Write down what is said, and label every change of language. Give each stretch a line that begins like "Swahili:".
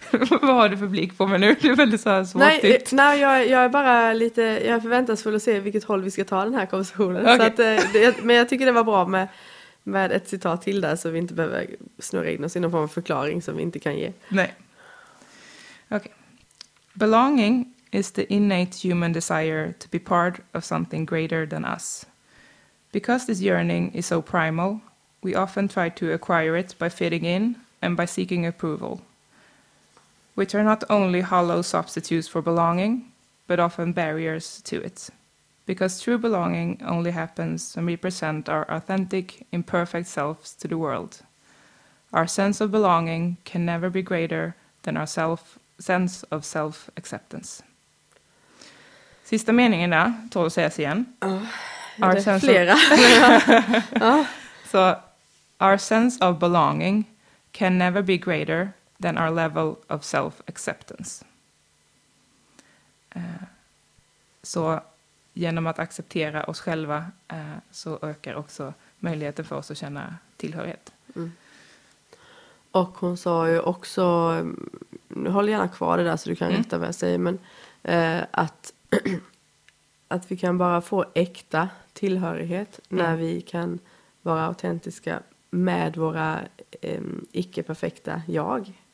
Swedish: Vad har du för blick på mig nu? Det är väldigt så här svårt. Nej, jag är bara lite, jag är förväntansfull att se vilket håll vi ska ta den här konversationen. Okay. Så att, men jag tycker det var bra med ett citat till där, så vi inte behöver snurra in oss i någon form av förklaring som vi inte kan ge. Nej. Okay.
English: Belonging is the innate human desire to be part of something greater than us. Because this yearning is so primal, we often try to acquire it by fitting in and by seeking approval. Which are not only hollow substitutes for belonging, but often barriers to it. Because true belonging only happens when we present our authentic, imperfect selves to the world. Our sense of belonging can never be greater than our sense of self-acceptance.
Swedish: Sista meningen där, tål att sägas igen. Ja, det är flera. Så,
English: our sense of belonging can never be greater than our level of self-acceptance.
Swedish: Så genom att acceptera oss själva så ökar också möjligheten för oss att känna tillhörighet. Mm. Och hon sa ju också, nu håll gärna kvar det där så du kan rätta vad jag säger, men att vi kan bara få äkta tillhörighet när vi kan vara autentiska med våra icke-perfekta jag.